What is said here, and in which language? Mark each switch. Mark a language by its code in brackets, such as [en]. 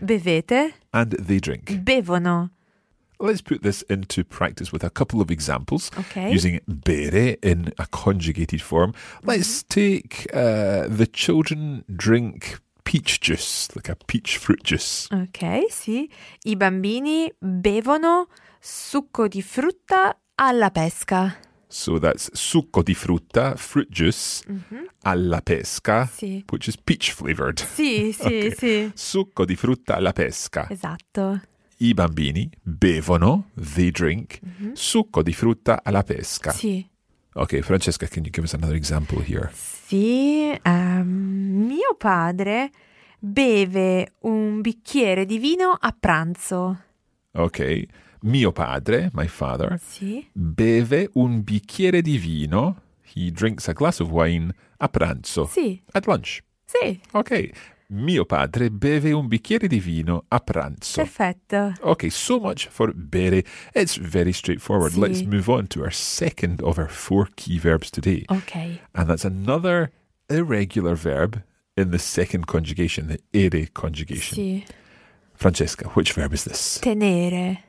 [it] Bevete. [en] And they drink. [it] Bevono. [en] Let's put this into practice with a couple of examples. Okay. Using bere in a conjugated form. Let's take the children drink peach juice, like a peach fruit juice. Okay, sì. [it] I bambini bevono succo di frutta alla pesca. [en] So that's [it] succo di frutta, [en] fruit juice, [it] alla pesca, [en] which is peach flavored. [it] Sì, sì, [en] okay. [it] Sì. Succo di frutta alla pesca. Esatto. I bambini bevono, [en] they drink, [it] succo di frutta alla pesca. Sì. [en] Okay, Francesca, can you give us another example here? [it] Sì, mio padre beve un bicchiere di vino a pranzo. [en] Okay. [it] Mio padre, [en] my father, [it] sì. Beve un bicchiere di vino, [en] he drinks a glass of wine, [it] a pranzo, sì. [en] At lunch. [it] Sì. [en] Ok. [it] Mio padre beve un bicchiere di vino a pranzo. Perfetto. [en] Ok, so much for bere. It's very straightforward. [it] Sì. [en] Let's move on to our second of our four key verbs today. Ok. And that's another irregular verb in the second conjugation, the ere conjugation. [it] Sì. [en] Francesca, which verb is this? [it] Tenere.